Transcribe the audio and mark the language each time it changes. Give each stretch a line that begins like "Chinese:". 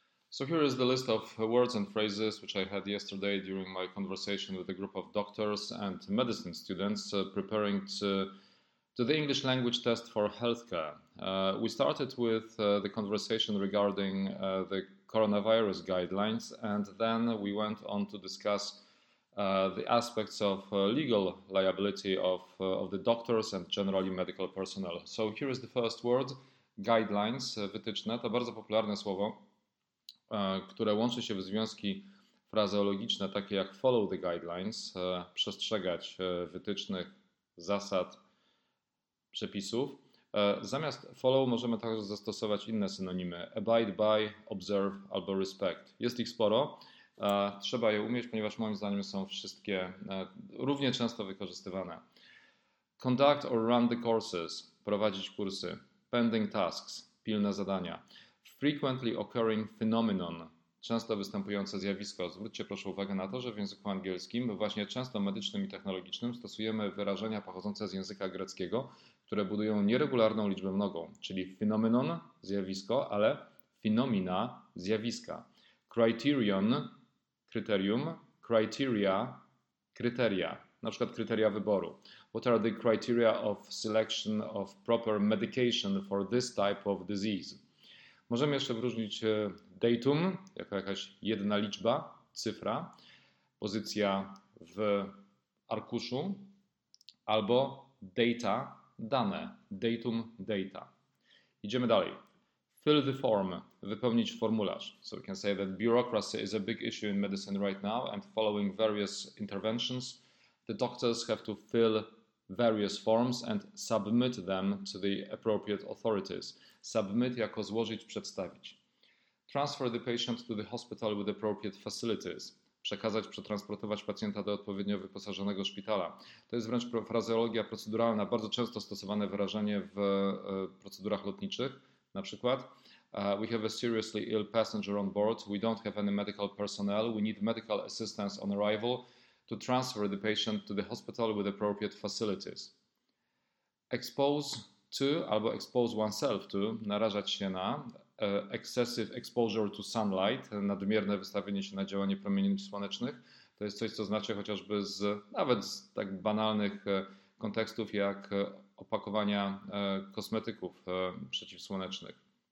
English: So here is the list of words and phrases which I had yesterday during my conversation with a group of doctors and medicine students preparing to the English language test for healthcare. We started with the conversation regarding the coronavirus guidelines, and then we went on to discuss the aspects of legal liability of the doctors and generally medical personnel. So here is the first word,
Polish: guidelines, wytyczne, to bardzo popularne słowo, które łączy się w związki frazeologiczne, takie jak
English: follow the guidelines,
Polish: przestrzegać wytycznych, zasad, przepisów. Zamiast follow możemy także zastosować inne synonimy,
English: abide by,
Polish: observe albo respect. Jest ich sporo, trzeba je umieć, ponieważ moim zdaniem są wszystkie równie często wykorzystywane.
English: Conduct or run the courses,
Polish: prowadzić kursy,
English: pending tasks,
Polish: pilne zadania.
English: Frequently occurring phenomenon,
Polish: często występujące zjawisko. Zwróćcie proszę uwagę na to, że w języku angielskim, właśnie często medycznym i technologicznym, stosujemy wyrażenia pochodzące z języka greckiego, które budują nieregularną liczbę mnogą, czyli phenomenon, zjawisko, ale phenomena, zjawiska. Criterion, kryterium, criteria, kryteria, na przykład kryteria wyboru.
English: What are the criteria of selection of proper medication for this type of disease?
Polish: Możemy jeszcze wyróżnić datum, jako jakaś jedna liczba, cyfra, pozycja w arkuszu, albo data, dane, datum, data. Idziemy dalej.
English: Fill the form,
Polish: wypełnić formularz.
English: So we can say that bureaucracy is a big issue in medicine right now, and following various interventions, the doctors have to fill various forms and submit them to the appropriate authorities.
Polish: Submit jako złożyć, przedstawić.
English: Transfer the patient to the hospital with appropriate facilities.
Polish: Przekazać, przetransportować pacjenta do odpowiednio wyposażonego szpitala. To jest wręcz frazeologia proceduralna, bardzo często stosowane wyrażenie w procedurach lotniczych. Na przykład,
English: we have a seriously ill passenger on board. We don't have any medical personnel. We need medical assistance on arrival to transfer the patient to the hospital with appropriate facilities.
Polish: Expose to albo
English: expose oneself to,
Polish: narażać się na,
English: excessive exposure to sunlight,
Polish: nadmierne wystawienie się na działanie promieni słonecznych. To jest coś, co znacie chociażby z nawet z tak banalnych kontekstów jak opakowania kosmetyków przeciwsłonecznych.